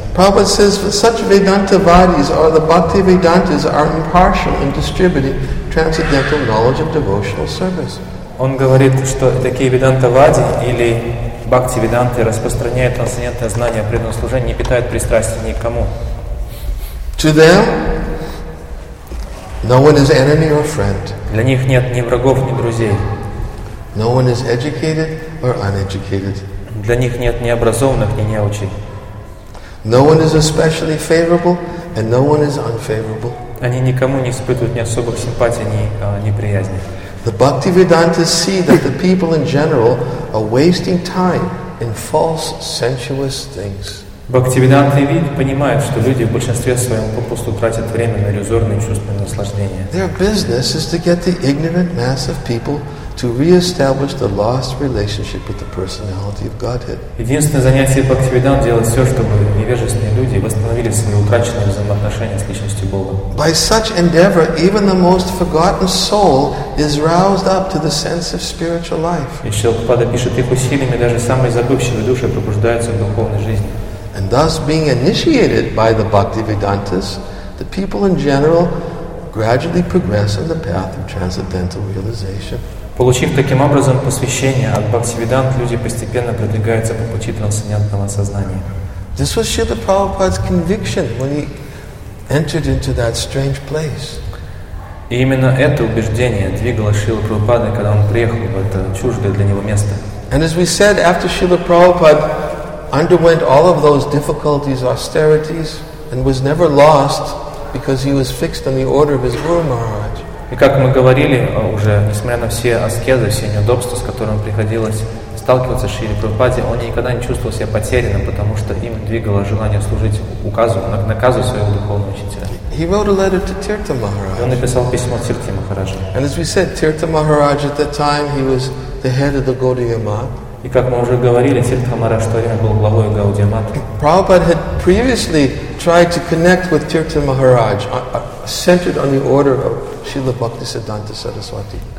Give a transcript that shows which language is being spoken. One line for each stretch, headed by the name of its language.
English: Prabhupada says, such Vedantavadis or the Bhaktivedantas are impartial in distributing transcendental knowledge of devotional service.
Russian: Он говорит, что такие веданта-вади или бхакти-веданты распространяют трансцендентное знание о преданном служении, не питают пристрастия никому.
English: To them, no one is enemy or friend.
Russian: Для них нет ни врагов, ни друзей.
English: No one is educated or uneducated.
Russian: Для них нет ни образованных, ни неучей.
English: No one is especially favorable, and no one is unfavorable.
Russian: Они никому не испытывают ни особых симпатий, ни неприязни.
English: The Bhaktivedantas see that the people in general are wasting time in false sensuous things.
Russian: Бхактивиданты понимают, что люди в большинстве своем попусту тратят время на иллюзорные чувственные наслаждения.
English: Their business is to get the ignorant mass of people to re-establish the lost relationship with the personality of Godhead.
Russian: Единственное занятие Бхактивидан делать все, чтобы невежественные люди восстановили свои утраченные взаимоотношения с личностью Бога.
English: By such endeavor, even the most forgotten soul is roused up to the sense of spiritual life.
Russian: И Шилпада пишет, их усилиями даже самые забывшие души пробуждаются в духовной жизни.
English: And thus, being initiated by the Bhaktivedantas, the people in general gradually progress on the path of transcendental realization.
Russian: Получив таким образом посвящение от Бхактивидант, люди постепенно продвигаются по пути трансцендентного сознания.
English: This was Srila Prabhupada's conviction when he entered into that strange place.
Russian: И именно это убеждение двигало Шрилу Прабхупаду, когда он приехал в это чуждое для него место.
English: And as we said, after Srila Prabhupada underwent all of those difficulties, austerities, and was never lost because he was fixed on the order of his Guru Maharaj.
Russian: И как мы говорили уже, несмотря на все аскезы, все неудобства, с которыми приходилось сталкиваться с Шри Прабхупаде, он никогда не чувствовал себя потерянным, потому что им двигало желание служить указу, наказу своего духовного учителя.
English: He wrote a letter to Tirtha Maharaj.
Russian: Он написал письмо Тирте Махараджу.
English: And as we said, Tirtha Maharaj at that time he was the head of the Gaudiya Math.
Russian: И как мы уже говорили, Тирта Махарадж в то время был главой Гаудия Матха.
English: Prabhupada had previously tried to connect with Tirtha Maharaj, centered on the order of Srila Bhaktisiddhanta Saraswati.